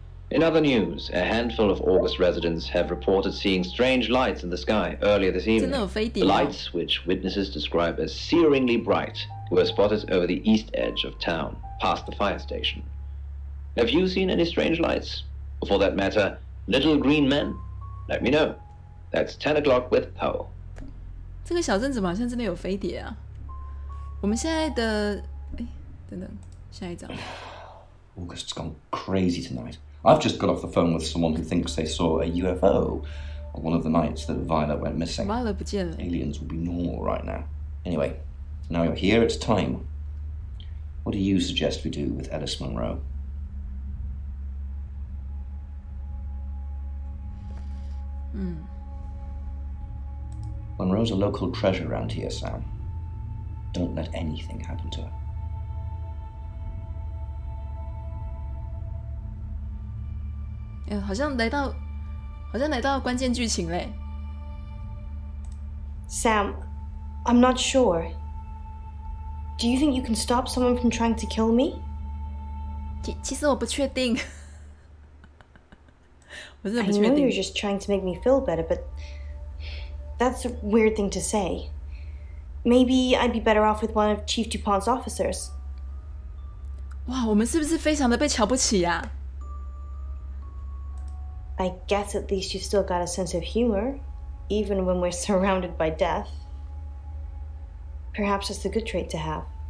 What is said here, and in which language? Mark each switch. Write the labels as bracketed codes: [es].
[en] In other news, a handful of August residents have reported seeing strange lights in the sky earlier this evening. The lights, which witnesses describe as searingly bright, were spotted over the east edge of town, past the fire station. Have you seen any strange lights? For that matter,Little Green Men, let me know. That's 10 o'clock with Powell. [zh] 这个小镇怎么好像真的有飞碟啊？我们现在的，等等，下一张。 [en] August's gone crazy tonight. I've just got off the phone with someone who thinks they saw a UFO on one of the nights that Violet went missing. [zh] Violet 不见了。 [en] Aliens will be normal right now. Anyway, now you're here, it's time. What do you suggest we do with Ellis Monroe? Monroe's a local treasure around here, Sam. Don't let anything happen to her. [zh] Yeah, 好像来到关键剧情嘞。 [en] Sam, I'm not sure. Do you think you can stop someone from trying to kill me? [zh] 其实我不确定。 [en] I know you're just trying to make me feel better, but that's a weird thing to say. Maybe I'd be better off with one of Chief Dupont's officers. [zh] Wow, 我们是不是非常的被瞧不起呀？ [en] I guess at least you've still got a sense of humor, even when we're surrounded by death. Perhaps that's a good trait to have.